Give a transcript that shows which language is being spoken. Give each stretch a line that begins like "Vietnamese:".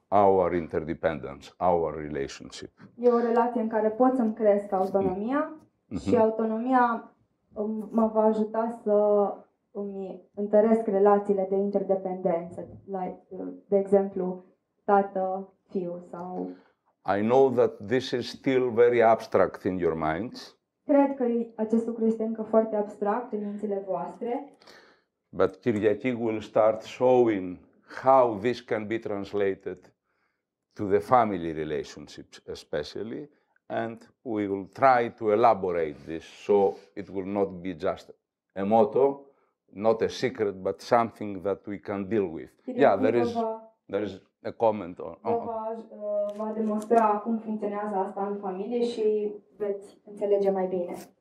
English: our interdependence, our relationship.
Romanian: E o relație în care pot să-mi cresc autonomia și autonomia mă va ajuta să îmi întăresc relațiile de interdependență, like, de exemplu, tată-fiu sau...
English: I know that this is still very abstract in your minds.
Romanian: Cred că acest lucru este încă foarte abstract în mințile voastre.
English: But Kyriaki will start showing how this can be translated to the family relationships especially, and we will try to elaborate this so it will not be just a motto, not a secret, but something that we can deal with. Yeah, there is a comment on.
Romanian: Va demonstra cum funcționează asta în familie și veți înțelege mai bine.